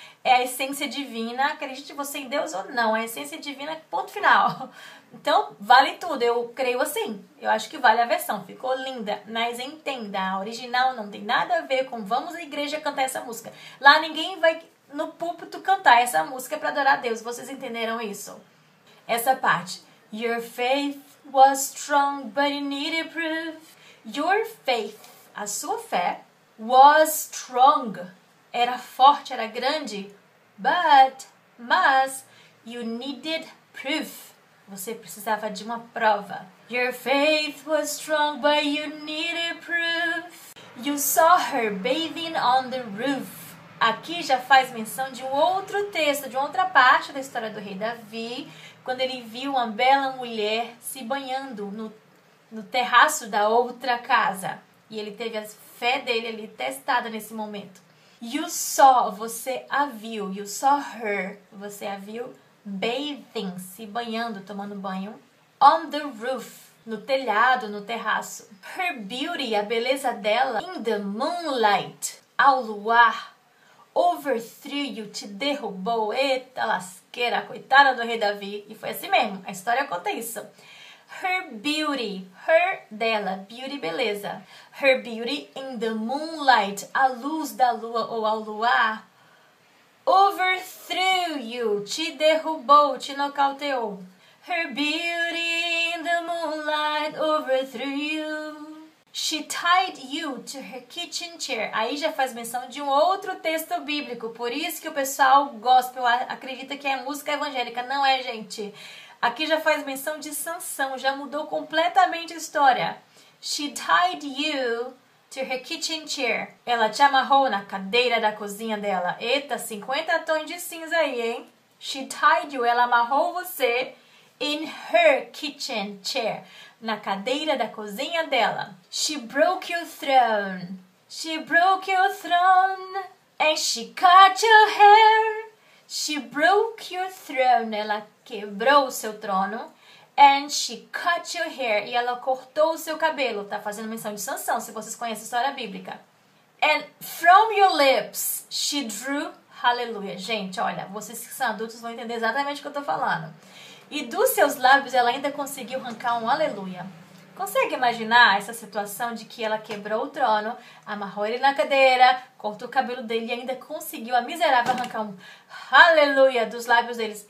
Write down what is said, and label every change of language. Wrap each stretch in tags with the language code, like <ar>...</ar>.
<pt>É a essência divina, acredite você em Deus ou não, a essência divina, ponto final. Então, vale tudo, eu creio assim, eu acho que vale a versão, ficou linda. Mas entenda, a original não tem nada a ver com vamos à igreja cantar essa música. Lá ninguém vai no púlpito cantar essa música pra adorar a Deus, vocês entenderam isso? Essa parte.</pt> <en>Your faith was strong, but you needed proof. Your faith, a sua fé, was strong.</en> <pt>Era forte, era grande, but, mas, you needed proof.</pt> <en>Você precisava de uma prova. Your faith was strong, but you needed proof. You saw her bathing on the roof.</en> <pt>Aqui já faz menção de um outro texto, de outra parte da história do rei Davi, quando ele viu uma bela mulher se banhando no terraço da outra casa. E ele teve a fé dele ali testada nesse momento. You saw, você a viu. You saw her, você a viu. Bathing, se banhando, tomando banho. On the roof, no telhado, no terraço. Her beauty, a beleza dela. In the moonlight, ao luar. Overthrew you, te derrubou. Eita lasqueira, coitada do rei Davi. E foi assim mesmo, a história conta isso. Her beauty, her dela, beauty, beleza. Her beauty in the moonlight, a luz da lua ou ao luar. Overthrew you, te derrubou, te nocauteou.</pt> <en>Her beauty in the moonlight overthrew you. She tied you to her kitchen chair.</en> <pt>Aí já faz menção de um outro texto bíblico. Por isso que o pessoal gospel acredita que é música evangélica. Não é, gente. Aqui já faz menção de Sansão. Já mudou completamente a história.</pt> <en>She tied you to her kitchen chair.</en> <pt>Ela te amarrou na cadeira da cozinha dela. Eita, 50 tons de cinza aí, hein? She tied you.</pt> <en>Ela amarrou você in her kitchen chair.</en> <pt>Na cadeira da cozinha dela.</pt> <en>She broke your throne. She broke your throne. And she cut your hair. She broke your throne.</en> <pt>Ela quebrou o seu trono. And she cut your hair. E ela cortou o seu cabelo. Tá fazendo menção de Sansão, se vocês conhecem a história bíblica.</pt> <en>And from your lips, she drew. Hallelujah.</en> <pt>Gente, olha, vocês que são adultos vão entender exatamente o que eu tô falando. E dos seus lábios ela ainda conseguiu arrancar um aleluia. Consegue imaginar essa situação de que ela quebrou o trono, amarrou ele na cadeira, cortou o cabelo dele e ainda conseguiu a miserável arrancar um aleluia dos lábios deles.</pt>